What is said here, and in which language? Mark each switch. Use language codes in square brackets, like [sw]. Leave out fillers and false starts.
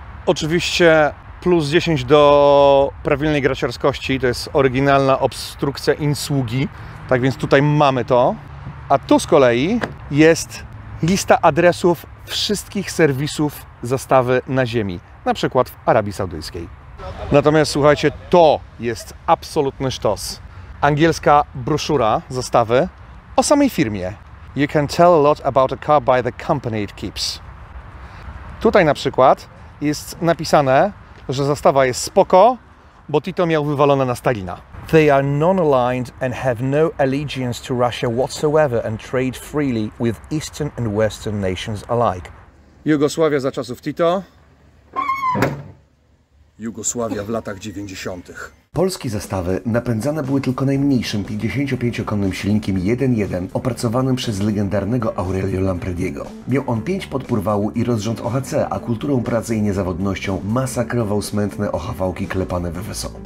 [pl] Oczywiście plus 10 do prawilnej graciarskości, to jest oryginalna obstrukcja insługi, tak więc tutaj mamy to. A tu z kolei jest lista adresów wszystkich serwisów zastawy na ziemi, na przykład w Arabii Saudyjskiej. Natomiast słuchajcie, to jest absolutny sztos. Angielska broszura zastawy o samej firmie. [en] You can tell a lot about a car by the company it keeps. [pl] Tutaj na przykład jest napisane, że zastawa jest spoko, bo Tito miał wywalone na Stalina. [en] They are non-aligned and have no allegiance to Russia whatsoever and trade freely with Eastern and Western nations alike. [pl] Jugosławia za czasów Tito. Jugosławia w latach 90. Polskie zastawy napędzane były tylko najmniejszym 55-konnym silnikiem 1.1 opracowanym przez legendarnego Aurelio Lamprediego. Miał on 5 podpór wału i rozrząd OHC, a kulturą pracy i niezawodnością masakrował smętne ochawałki klepane we WSO.